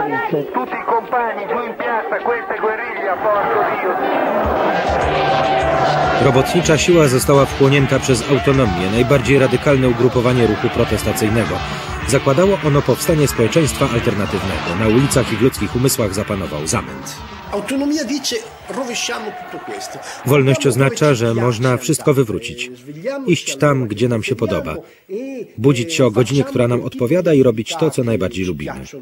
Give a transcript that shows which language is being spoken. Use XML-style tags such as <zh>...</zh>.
<it>Tutti i compagni giù in piazza, questa è guerriglia, porco Dio!</it> <pl>Robotnicza siła została wchłonięta przez autonomię, najbardziej radykalne ugrupowanie ruchu protestacyjnego. Zakładało ono powstanie społeczeństwa alternatywnego. Na ulicach i w ludzkich umysłach zapanował zamęt.</pl> <it>Autonomia dice rovesciamo tutto questo.</it> <pl>Wolność oznacza, że można wszystko wywrócić. Iść tam, gdzie nam się podoba. Budzić się o godzinie, która nam odpowiada i robić to, co najbardziej lubimy.</pl>